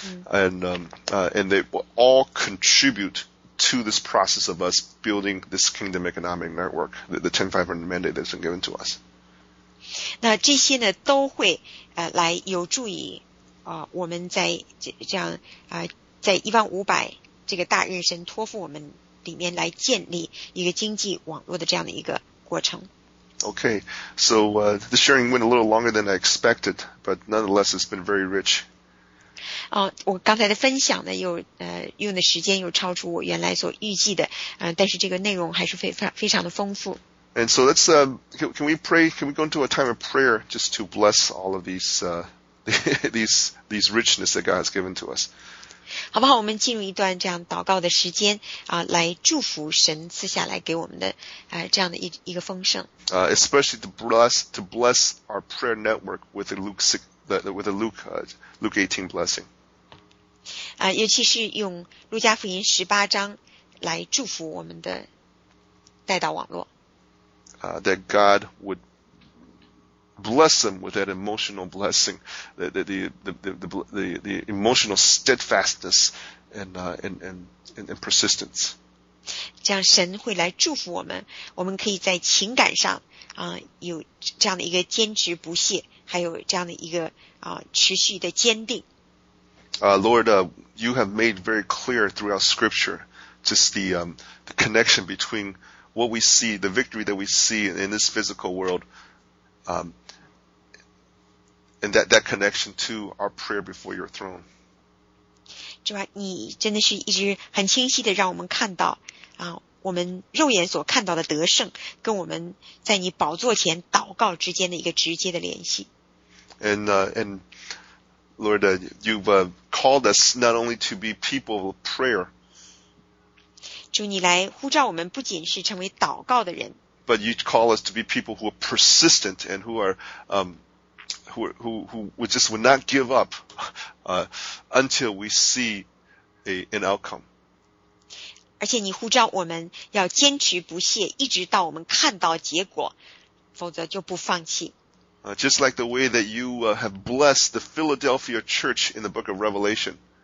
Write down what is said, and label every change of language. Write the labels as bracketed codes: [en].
[en] And they will all contribute to this process of us building this kingdom economic network, the 10-500 mandate that's been given to us. [zh] 那这些呢都会来有助于我们在这样在1500这个大任神托付我们里面来建立一个经济网络的这样的一个过程。 [en] Okay, so the sharing went a little longer than I expected, but nonetheless it's been very rich. [zh] 我刚才的分享呢又用的时间又超出我原来所预计的但是这个内容还是非常的丰富。 [en] And so let's, can we pray, can we go into a time of prayer just to bless all of these, these richness that God has given to us? [zh] 好不好？我们进入一段这样祷告的时间来祝福神赐下来给我们的这样的一个丰盛。 [en] Especially to bless our prayer network with a Luke 18 blessing. [zh] 尤其是用路加福音十八章来祝福我们的带导网络。 [en] That God would bless them with that emotional blessing, the emotional steadfastness and persistence. [zh] 这样神会来祝福我们，我们可以在情感上有这样的一个坚持不懈，还有这样的一个持续的坚定。 [en] Lord, you have made very clear throughout Scripture just the connection between what we see, the victory that we see in this physical world. And that connection to our prayer before your throne. [zh] 主啊，你真的是一直很清晰的让我们看到我们肉眼所看到的得胜跟我们在你宝座前祷告之间的一个直接的联系。 [en] And Lord, you've called us not only to be people of prayer. [zh] 主你来呼召我们不仅是成为祷告的人。 [en] But you call us to be people who are persistent and who are, would not give up until we see an outcome. [zh] 而且你呼召我们要坚持不懈，一直到我们看到结果，否则就不放弃。 [en] Just like the way that you have blessed the Philadelphia church in the book of Revelation.